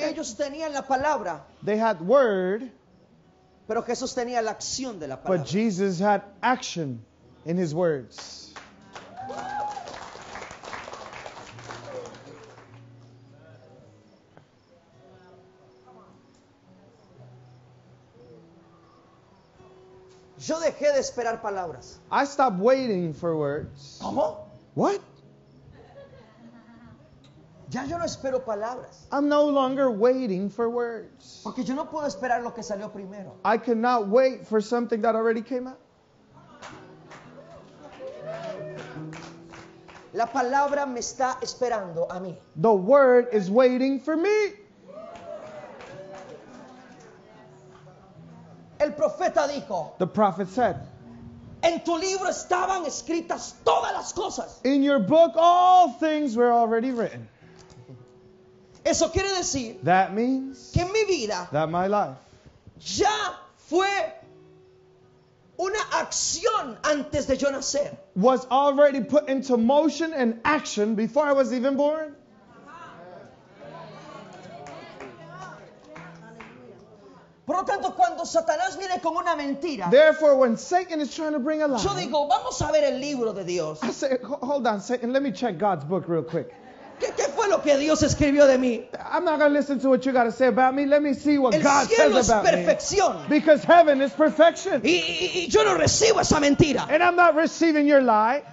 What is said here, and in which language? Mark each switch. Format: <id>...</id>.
<es>Porque ellos tenían la palabra.</es> <en>They had word.</en> <es>Pero Jesús tenía la acción de la palabra.</es> <en>But Jesus had action in his words.</en> <es>Yo dejé de esperar palabras.</es> <en>I stopped waiting for words.</en> <es>¿Cómo?</es> <en>What?</en> <es>Ya yo no espero palabras.</es> <en>I'm no longer waiting for words.</en> <es>Porque yo no puedo esperar lo que salió primero.</es> <en>I cannot wait for something that already came out.</en> <es>La palabra me está esperando a mí.</es> <en>The word is waiting for me.</en> <es>El profeta dijo,</es> <en>the prophet said,</en> <es>en tu libro estaban escritas todas las cosas.</es> <en>In your book all things were already written.</en> <es>Eso quiere decir,</es> <en>that means,</en> <es>que mi vida,</es> <en>that my life,</en> <es>ya fue una acción antes de yo nacer.</es> <en>Was already put into motion and action before I was even born.</en> <es>Por lo tanto, cuando Satanás viene con una mentira,</es> <en>therefore, when Satan is trying to bring a lie,</en> <es>yo digo, vamos a ver el libro de Dios.</es> <en>I say, hold on, Satan, let me check God's book real quick.</en> <es>¿Qué fue lo que Dios escribió de mí?</es> <en>I'm not going to listen to what you got to say about me. Let me see what</en> <es>el</es> <en>God says about</en> <es>perfección.</es> <en>Me. Because heaven is perfection.</en> <es>Y yo no recibo esa mentira.</es> <en>And I'm not receiving your lie.</en>